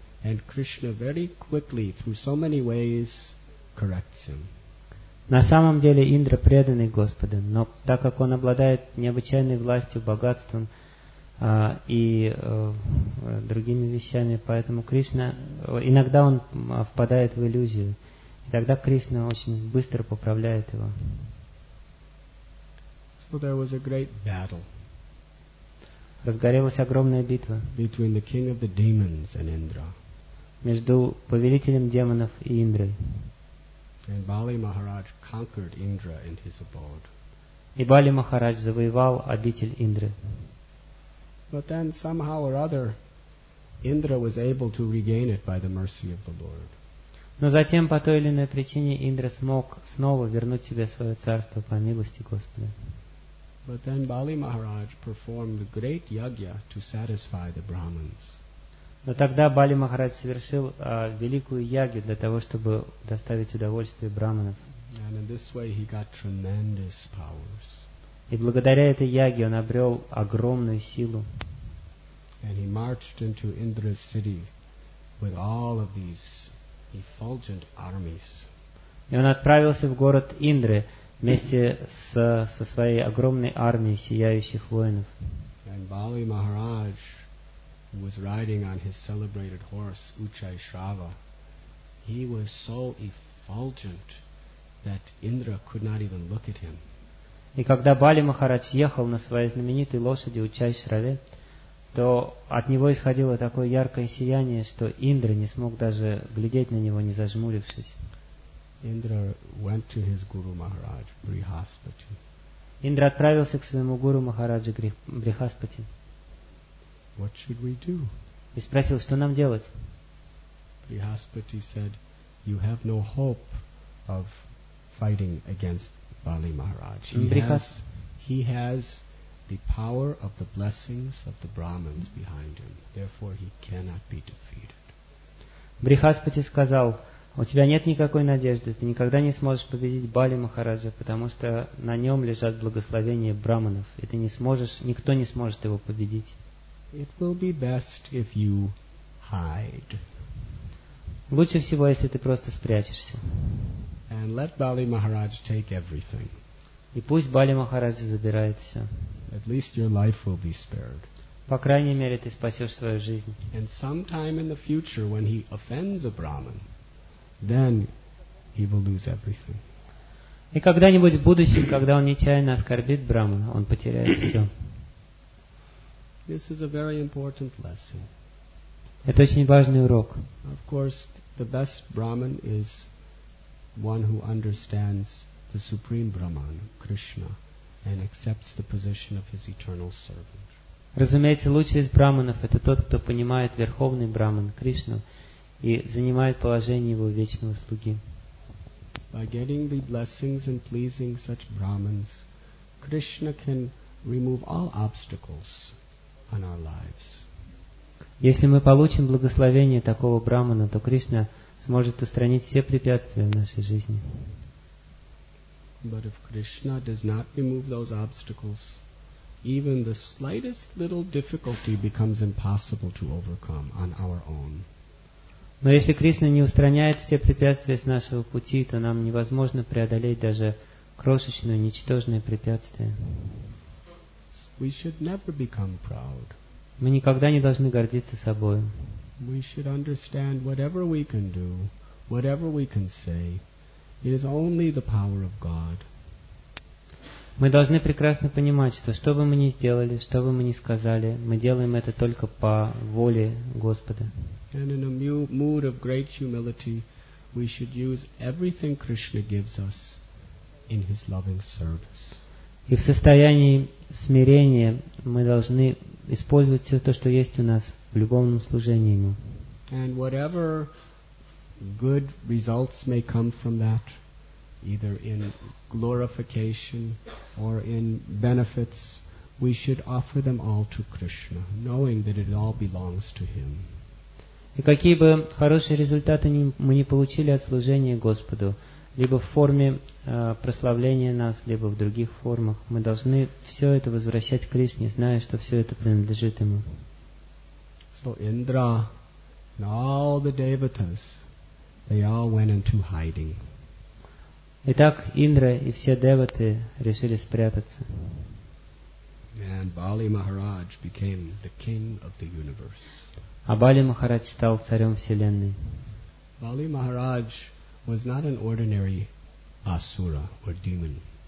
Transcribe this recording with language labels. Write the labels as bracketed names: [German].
[English] And Krishna very quickly, through so many ways, corrects him. [Russian] На самом деле Индра преданный Господу, но так как он обладает необычайной властью, богатством и другими вещами, поэтому Кришна иногда он впадает в иллюзию, и тогда Кришна очень быстро поправляет его. [English] So there was a great battle. [Russian] Разгорелась огромная битва. [English] Between the king of the demons and Indra. [Russian] Между повелителем демонов и Индрой. [English] And Bali Maharaj conquered Indra in his abode. [Russian] И Бали Махарадж завоевал обитель Индры. [English] But then somehow or other, Indra was able to regain it by the mercy of the Lord. [Russian] Но затем по той или иной причине Индра смог снова вернуть себе свое царство по милости Господа. [English] But then Bali Maharaj performed great yagya to satisfy the Brahmins. [Russian] Но тогда Бали Махарадж совершил великую ягью для того, чтобы доставить удовольствие брахманов. [English] And in this way he got tremendous powers. [Russian] И благодаря этой яге он обрел огромную силу. [English] And he marched into Indra's city with all of these effulgent armies. [Russian] И он отправился в город Индры вместе со своей огромной армией сияющих воинов. [English] And Bali Maharaj, who was riding on his celebrated horse, Uchai Shrava, he was so effulgent that Indra could not even look at him. [Russian] И когда Бали Махарадж ехал на своей знаменитой лошади Учай Шраве, то от него исходило такое яркое сияние, что Индра не смог даже глядеть на него, не зажмурившись. [English] Indra went to his Guru Maharaj, Brihaspati. [Russian] Индра отправился к своему Гуру Махараджу Брихаспати. [English] What should we do? [Russian] И спросил, что нам делать? [English] Brihaspati said, you have no hope of fighting against Bali Maharaj. He has the power of the blessings of the Brahmins behind him. Therefore, he cannot be defeated. [Russian] Брихаспати сказал, у тебя нет никакой надежды, ты никогда не сможешь победить Бали Махараджа, потому что на нем лежат благословения Брахманов, и ты не сможешь, никто не сможет его победить. [English] It will be best if you hide. [Russian] Лучше всего, если ты просто спрячешься. [English] And let Bali Maharaj take everything. [Russian] И пусть Бали Махараджа забирает все. [English] At least your life will be spared. [Russian] По крайней мере, ты спасешь свою жизнь. [English] And sometime in the future, when he offends a Brahmin, then he will lose everything. [Russian] И когда-нибудь в будущем, когда он нечаянно оскорбит Брахмана, он потеряет все. [English] This is a very important lesson. [Russian] Это очень важный урок. [English] Of course, the best Brahmin is one who understands the Supreme Brahman, Krishna, and accepts the position of his eternal servant. [Russian] Разумеется, лучший из Брахманов — это тот, кто понимает Верховный Брахман, Кришну, и занимает положение его вечного слуги. [English] By getting the blessings and pleasing such Brahmins, Krishna can remove all obstacles on our lives. [Russian] Если мы получим благословение такого Брахмана, то Кришна сможет устранить все препятствия в нашей жизни. [English] But if Krishna does not remove those obstacles, even the slightest little difficulty becomes impossible to overcome on our own. [Russian] Но если Кришна не устраняет все препятствия с нашего пути, то нам невозможно преодолеть даже крошечное, ничтожное препятствие. [English] We should never become proud. [Russian] Мы никогда не должны гордиться собой. [English] We should understand whatever we can do, whatever we can say, it is only the power of God. [Russian] Мы должны прекрасно понимать, что бы мы ни сделали, что бы мы ни сказали, мы делаем это только по воле Господа. [English] And in a mood of great humility, we should use everything Krishna gives us in his loving service. [Russian] И в состоянии смирения мы должны использовать все то, что есть у нас в любовном служении ему. [English] And whatever good results may come from that, either in glorification or in benefits, we should offer them all to Krishna, knowing that it all belongs to him. [Russian] И какие бы хорошие результаты мы ни получили от служения Господу, либо в форме прославления нас, либо в других формах, мы должны все это возвращать Кришне, зная, что все это принадлежит ему. [English] So Indra and all the devatas, they all went into hiding. [Russian] Итак, Индра и все деваты решили спрятаться. [English] And Bali Maharaj became the king of the universe. [Russian] А Бали Махарадж стал царем вселенной. [English] Bali Maharaj was not an ordinary asura or demon.